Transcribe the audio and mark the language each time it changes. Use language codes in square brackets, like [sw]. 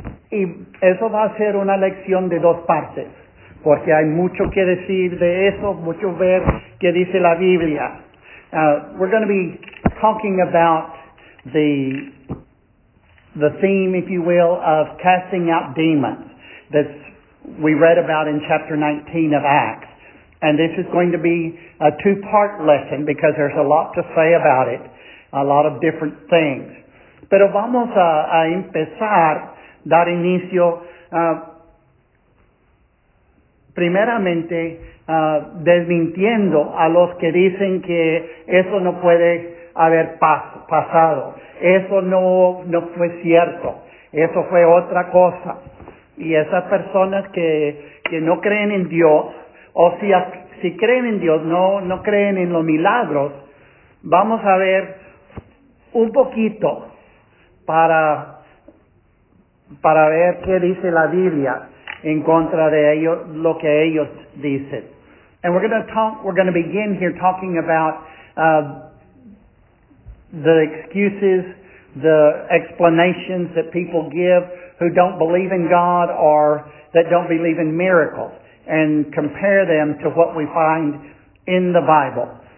[es] Y eso va a ser una lección de dos partes, porque hay mucho que decir de eso, mucho ver qué dice la Biblia. [en] We're going to be talking about the theme, if you will, of casting out demons that we read about in chapter 19 of Acts. And this is going to be a two-part lesson because there's a lot to say about it, a lot of different things. [es] Pero vamos a empezar, dar inicio, primeramente, desmintiendo a los que dicen que eso no puede haber pasado. Eso no fue cierto. Eso fue otra cosa. Y esas personas que no creen en Dios, o si creen en Dios, no creen en los milagros, vamos a ver un poquito para ver qué dice la Biblia en contra de ellos, lo que ellos dicen. [en] And we're going to begin here talking about the excuses, the explanations that people give who don't believe in God or that don't believe in miracles, and compare them to what we find in the Bible.